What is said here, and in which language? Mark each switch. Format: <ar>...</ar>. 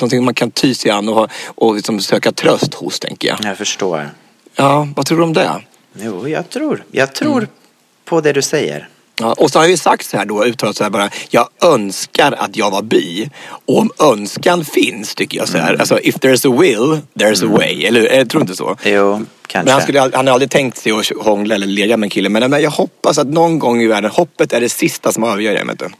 <sv>Någonting man kan ty sig an och liksom söka tröst hos, tänker jag. Jag förstår. Ja, vad tror du om det? Jo, jag tror på det du säger. Ja, och så har vi sagt så här då, uttalat så här bara, jag önskar att jag var bi. Och om önskan finns, tycker jag så här.</sv> <en>Alltså, if there's a will, there's a way.</en> <sv>Eller, jag tror inte så. Jo, kanske. Men han har aldrig tänkt sig att hångla eller leja med en kille. Men jag hoppas att någon gång i världen, hoppet är det sista som avgör det, vet du.</sv>